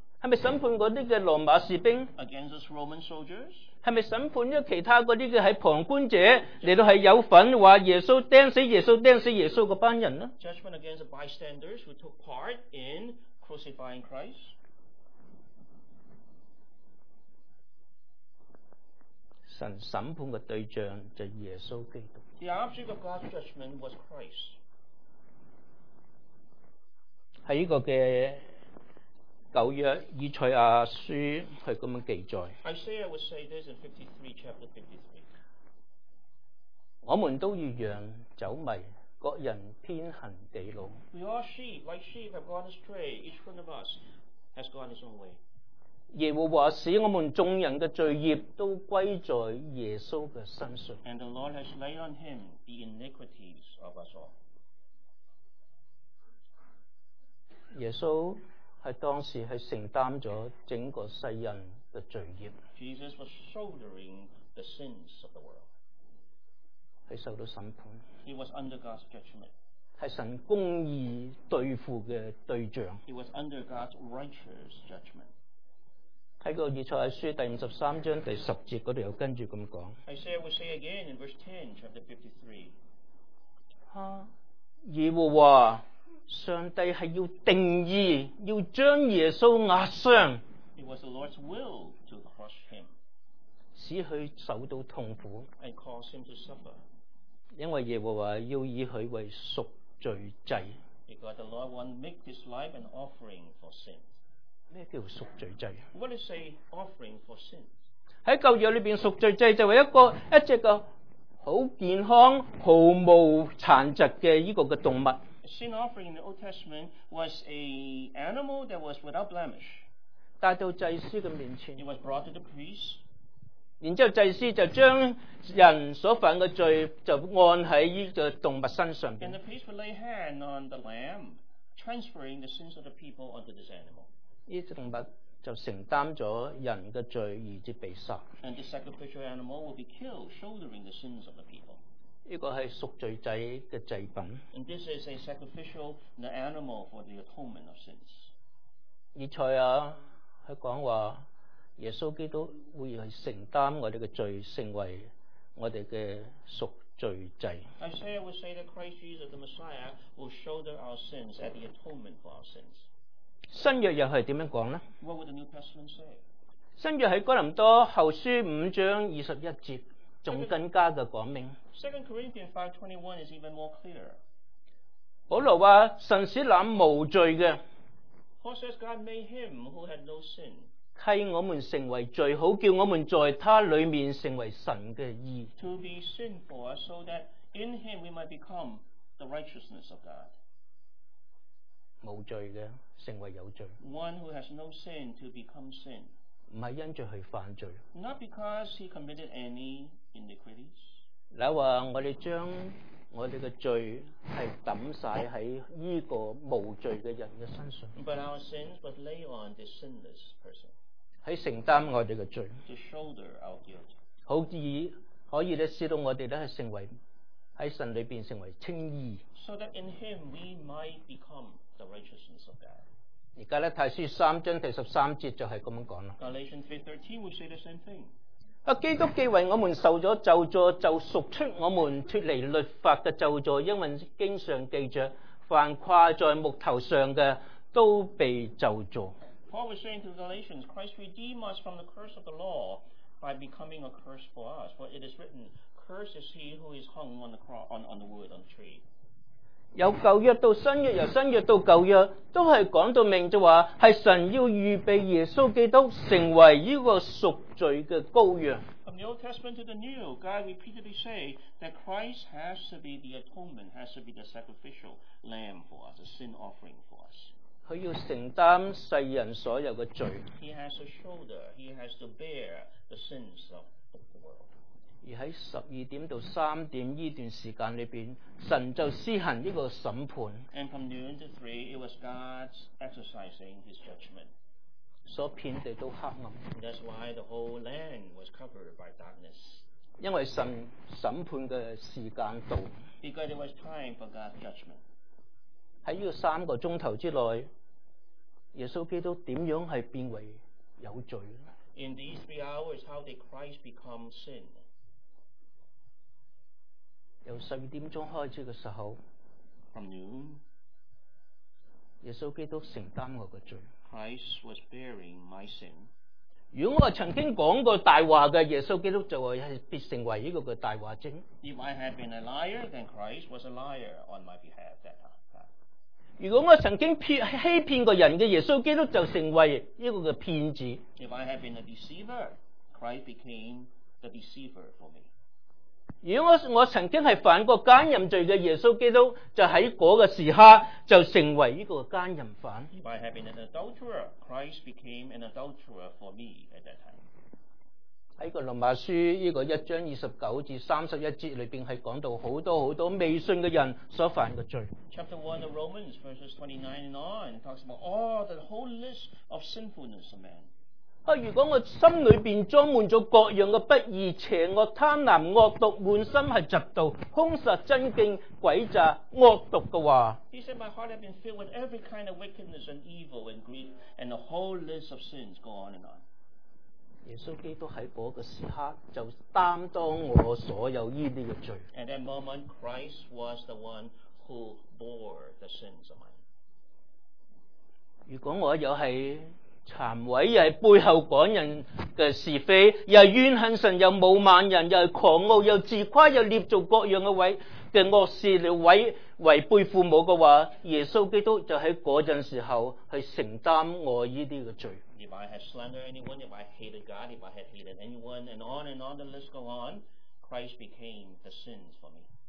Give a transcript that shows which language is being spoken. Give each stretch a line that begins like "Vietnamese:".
Cantonese: 系咪审判嗰啲嘅罗马士兵？
English: Against those Roman soldiers?
Cantonese: 系咪审判咗其他嗰啲嘅喺旁观者嚟到系有份话耶稣钉死耶稣钉死耶稣嗰班人咧？
English: Judgment against the bystanders who took part in crucifying Christ?
Cantonese: 神审判嘅对象就耶稣基督。
English: The object of God's judgment was Christ.
Cantonese: 在这个的旧约以赛亚书是这样记载。
English: Isaiah would say this in 53, chapter 53.
Cantonese: 我们都如羊走迷，各人偏行己路。
English: We all sheep, like sheep, have gone astray. Each one of us has gone his own way.
Cantonese: 耶和华使我们众人的罪孽都归在耶稣的身上。
English: And the Lord has laid on him the iniquities of us all.
Cantonese: 耶稣是当时是承担了整个世人的罪孽。
English: Jesus was shouldering the sins of the world.
Cantonese: 是受到审判。
English: He was under God's judgment.
Cantonese: 是神公义对付的对象。
English: He was under God's righteous judgment.
Cantonese: 在《以赛亚书》第53章第10节那里又跟着这么讲。
English: Isaiah would say again in verse 10, chapter 53.
Cantonese: 耶和华上帝是要定义，要将耶稣压伤。
English: It was the Lord's will to crush him,
Cantonese: 使他受到痛苦。
English: And cause him to suffer,
Cantonese: 因为耶和华要以他为赎罪祭。
English: Because the Lord will make his life an offering for sin.
Cantonese: 什么叫赎罪祭？
English: What is a offering for sin?
Cantonese: 在旧约里面，赎罪祭就是一只个很健康、毫无残疾的这个动物。
English: Sin offering in the Old Testament was an animal that was without blemish.
Cantonese: 带到祭司的面前。
English: It was brought to the priest.
Cantonese: 然后祭司就将人所犯的罪就按在这个动物身上。
English: And the priest would lay hand on the lamb, transferring the sins of the people onto this animal.
Cantonese: 这动物就承担了人的罪而致被杀。
English: And the sacrificial animal would be killed, shouldering the sins of the people.
Cantonese: 这个是赎罪祭的祭品。
English: And this is a sacrificial animal for the atonement of sins.
Cantonese: 以赛亚他说耶稣基督会承担我们的罪，成为我们的赎罪祭。
English: Isaiah would say that Christ Jesus the Messiah will shoulder our sins at the atonement for our sins.
Cantonese: 新约又是怎样说呢？
English: What would the New Testament say?
Cantonese: 新约在哥林多后书五章二十一节仲更加的讲明。
English: 2 Corinthians 5:21 is even more clear.
Cantonese: 保罗说神使那无罪的，
English: Paul says God made him who had no sin,
Cantonese: 替我们成为罪，好叫我们在他里面成为神的义，
English: to be sin for us so that in him we might become the righteousness of God.
Cantonese: 无罪的成为有罪，
English: one who has no sin to become sin,
Cantonese: 不是因着他犯罪，
English: not because he committed any iniquities.
Cantonese: 你说我们将我们的罪是丢在这个无罪的人的身上，
English: But our sins was lay on this sinless person,
Cantonese: 在承担我们的罪，
English: To shoulder our guilt,
Cantonese: 好以可以使到我们成为在神里面成为清义，
English: So that in him we might become the righteousness of God.
Cantonese: 现在呢，提书三章第十三节就是这样说了。
English: Galatians 3:13 would say the same thing.
Cantonese: 基督既为我们受了咒诅，就赎出我们脱离律法的咒诅，因为经常记着，凡跨在木头上的都被咒诅。
English: Paul was saying to the Galatians, Christ redeemed us from the curse of the law by becoming a curse for us. For it is written, cursed is he who is hung on the cross, on the wood, on the tree.
Cantonese: 由旧约到新约，由新约到旧约，都系讲到明就话系神要预备耶稣基督成为呢个赎罪嘅羔羊。
English: From the Old Testament to the New, God repeatedly say that Christ has to be the atonement, has to be the sacrificial lamb for us, a sin offering for us.
Cantonese: 佢要承担世人所有嘅罪。
English: He has to shoulder, he has to bear the sins of.
Cantonese: 而在十二点到三点这段时间里面，神就施行这个审判。
English: And from noon to three, it was God's exercising his judgment.
Cantonese: 所以遍地都黑暗。
English: That's why the whole land was covered by darkness.
Cantonese: 因为神审判的时间到。
English: Because it was time for God's judgment.
Cantonese: 在这三个钟头之内，耶稣基督怎样是变为有罪？
English: In these 3 hours, how did Christ become sin?
Cantonese: 由十二点钟开始的时候，
English: From noon,
Cantonese: 耶稣基督承担我的罪。
English: Christ was bearing my sin.
Cantonese: 如果我曾经讲过大话的，耶稣基督就必成为这个大话精。
English: If I had been a liar, then Christ was a liar on my behalf that time.
Cantonese: 如果我曾经欺骗过人的，耶稣基督就成为这个骗子。
English: If I had been a deceiver, Christ became the deceiver for me.
Cantonese: 如果我曾经是犯过奸淫罪的，耶稣基督就在那个时刻就成为这个奸淫犯。
English: If I had been an adulterer, Christ became an adulterer for me at that time.
Cantonese: 在个罗马书这个一章二十九至三十一节里面，是讲到很多很多未信的人所犯的罪。
English: Chapter 1 of Romans, verses 29 and on, talks about all the whole list of sinfulness of man.
Cantonese: 如果我心里面装满了各样的不义、邪恶、贪婪、恶毒、满心是嫉妒、凶杀、真敬、诡诈、恶毒的话，
English: He said my heart had been filled with every kind of wickedness and evil and greed and the whole list of sins go on and on.
Cantonese: 耶稣基督在那个时刻就担当我所有这些罪。
English: And that moment Christ was the one who bore the sins of mine.
Cantonese: 如果我又是谄媚，又是背后讲人的是非，又是怨恨神，又冒慢人，又是狂傲，又自夸，又捏造各样的恶事来违背父母的话，耶稣基督就在那阵时候去承担我这些罪。
English: If I had slandered anyone, if I hated God, if I had hated anyone, and on the list go on, Christ became the sin for me.